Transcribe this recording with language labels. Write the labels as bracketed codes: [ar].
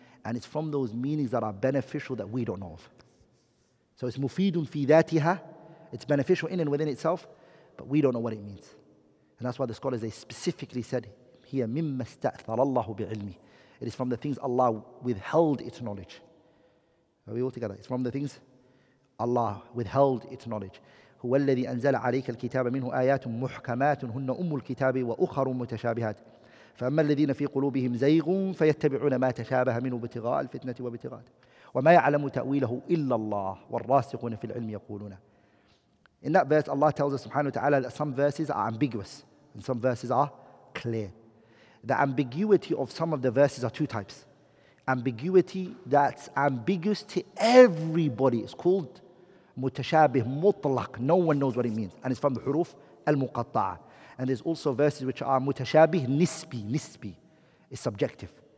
[en] And it's from those meanings that are beneficial that we don't know of. So it's [ar] mufidun fi dhatiha, [en] it's beneficial in and within itself, but we don't know what it means. And that's why the scholars, they specifically said, here, [ar] mimma sta'thara Allahu bi'ilmi. [en] It is from the things Allah withheld its knowledge. Are we all together? It's from the things Allah withheld its knowledge. [ar] هو الذي أنزل عليك الكتاب منه آيات محكمات هن أم الكتاب وأخر متشابهات فأما الذين في قلوبهم زيغ فيتبعون ما تشابه منه ابتغاء الفتنة وابتغاء وَمَا يَعْلَمُ تَأْوِيلَهُ إِلَّا اللَّهُ وَالرَّاسِقُونَ فِي الْعِلْمِ يَقُولُونَ [en] In that verse, Allah tells us, subhanahu wa ta'ala, that some verses are ambiguous and some verses are clear. The ambiguity of some of the verses are two types. Ambiguity that's ambiguous to everybody. It's called mutashabih, mutlaq. No one knows what it means. And it's from the huruf al-muqatta'ah. And there's also verses which are mutashabih, nisbi. It's subjective.